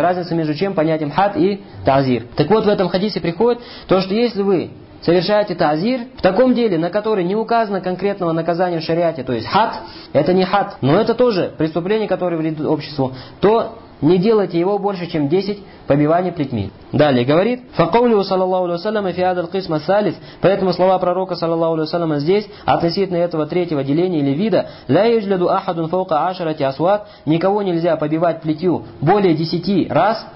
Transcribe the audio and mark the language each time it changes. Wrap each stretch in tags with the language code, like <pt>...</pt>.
<ru>Разница между чем понятием хат и таазир. Так вот, в этом хадисе приходит то, что если вы совершаете таазир в таком деле, на который не указано конкретного наказания в шариате, то есть хат, это не хат, но это тоже преступление, которое вредит обществу, то не делайте его больше, чем 10 побиваний плетьми.</ru> <ar>Далее говорит, فَقَوْلُهُ صَلَّى اللَّهُ عَلَيْهِ فِي هَذَا الْقِسْمَ الثَّالِثِ.</ar> <ru>Поэтому слова пророка, саллаллаху алейхи ва саллям, здесь, относительно этого третьего деления или вида,</ru> <ar>لَا يُجْلَدُ أَحَدٌ فَوْقَ عَشَرَةِ أَصْوَاتٍ.</ar> <ru>Никого нельзя побивать плетью более 10 раз.</ru>